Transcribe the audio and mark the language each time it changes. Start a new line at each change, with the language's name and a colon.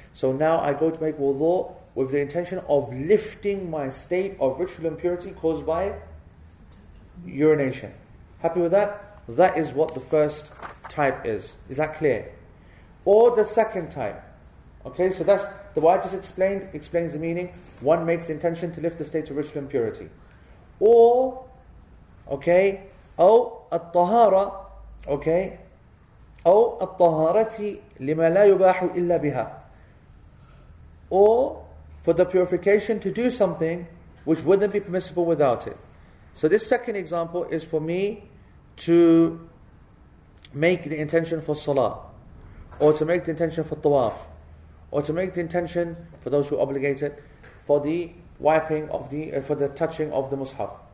English: So now I go to make wudu with the intention of lifting my state of ritual impurity caused by urination. Happy with that? That is what the first type is. Is that clear? Or the second type. Okay, so that's the way I just explains the meaning. One makes the intention to lift the state of ritual impurity. Or, okay,
Arabic: أو الطهارة,
English: okay,
Arabic: أو الطهارة لما لا يباح إلا بها.
English: Or, for the purification to do something which wouldn't be permissible without it. So this second example is for me to make the intention for salah, or to make the intention for tawaf, or to make the intention for those who are obligated for the wiping of the for the touching of the mushaf.